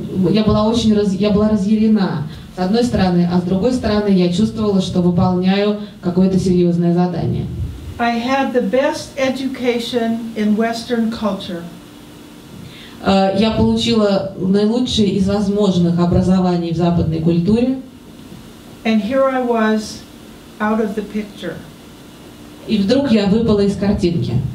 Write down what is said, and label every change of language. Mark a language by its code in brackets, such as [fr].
[ru] Я была разъярена с одной стороны, а с другой стороны я чувствовала, что выполняю какое-то серьезное задание. [en] I had the best education in Western culture. [ru] Я получила наилучшее из возможных образований в западной культуре. [en] And here I was out of the picture. [ru] И вдруг я выпала из картинки.